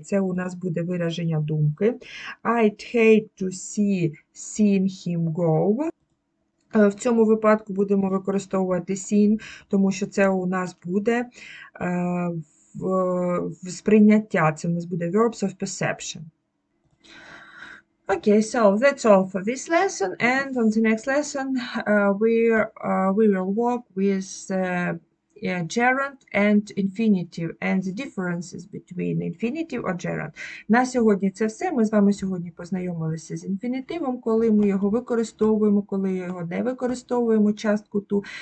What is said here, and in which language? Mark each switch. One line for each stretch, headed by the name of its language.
Ukrainian: Це у нас буде вираження думки.
English: I'd hate to see seeing him go.
Ukrainian: В цьому випадку будемо використовувати seen, тому що це у нас буде в сприйняття. Це у нас буде verbs of perception.
English: Okay, so that's all for this lesson, and on the next lesson we will work with gerund and infinitive and the differences between infinitive or gerund.
Ukrainian: На сьогодні це все. Ми з вами сьогодні познайомилися з інфінітивом, коли ми його використовуємо, коли його не використовуємо, частку ту.